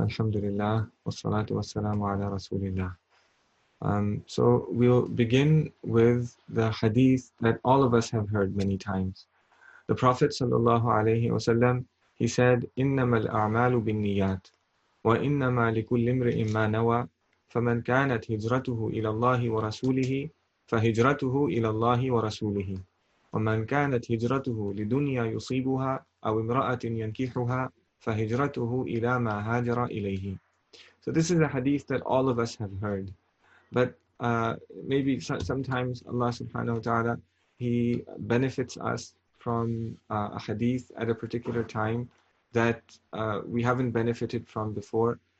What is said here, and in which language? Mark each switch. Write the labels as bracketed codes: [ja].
[ar] الحمد لله والصلاة والسلام على رسول الله. [en] So we'll begin with the hadith that all of us have heard many times. The Prophet sallallahu alayhi wa sallam, he said, [ar] إِنَّمَا الْأَعْمَالُ بِالنِّيَّاتِ وَإِنَّمَا لِكُلِّ امْرِئٍ مَّا نَوَى فَمَنْ كَانَتْ هِجْرَتُهُ إِلَى اللَّهِ وَرَسُولِهِ فَهِجْرَتُهُ إِلَى اللَّهِ وَرَسُولِهِ وَمَنْ كَانَتْ هِجْرَتُهُ لِدُنْيَا يُصِيبُهَا أَوْ امْرَأَةٍ يَنْكِحُهَا فَهِجْرَتُهُ إِلَى مَا هَاجَرَ إِلَيْهِ. [en] So this is a hadith that all of us have heard. But maybe sometimes Allah subhanahu wa ta'ala, He benefits us from a hadith at a particular time that we haven't benefited from before.